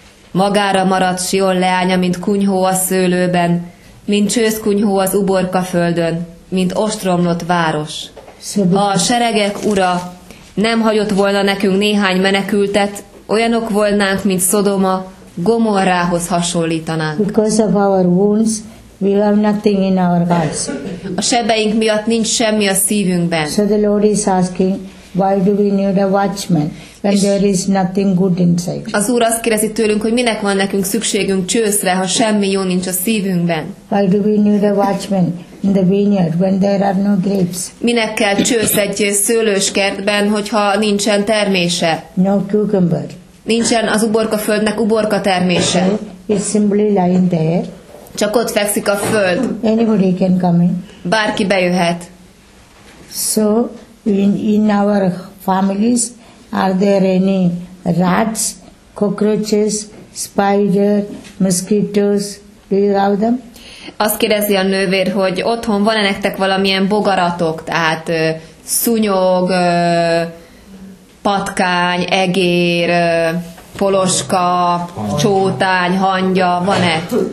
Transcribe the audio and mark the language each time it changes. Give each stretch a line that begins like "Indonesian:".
Hungarian: Magára maradt Sion leánya, mint kunyhó a szőlőben, mint csőszkunyhó az uborka földön, mint ostromlott város. A seregek ura nem hagyott volna nekünk néhány menekültet, olyanok volnánk, mint Szodoma, Gomorrához hasonlítanánk.
English: Because of our wounds, we have nothing in our hearts.
Hungarian: A sebeink miatt nincs semmi a szívünkben.
English: So the Lord is asking, why do we need a watchman when there is nothing good inside?
Hungarian: Az Úr azt kérdezi tőlünk, hogy minek van nekünk szükségünk csőszre, ha semmi jó nincs a szívünkben.
English: Why do we need a watchman in the vineyard when there are no grapes?
Hungarian: Minek kell csősz egy szőlőskertben, hogyha nincsen termése?
English: No cucumber.
Hungarian: Nincsen az uborkaföldnek uborka termése.
English: It's simply lying there.
Hungarian: Csak ott fekszik a föld.
English: Anybody can come in.
Hungarian: Bárki bejöhet.
English: So, in our families, are there any rats, cockroaches, spiders, mosquitoes, Do you love them?
Hungarian: Azt kérdezi a nővér, hogy otthon van-e nektek valamilyen bogaratok, tehát szúnyog, patkány, egér, poloska, csótány, hangya, van-e?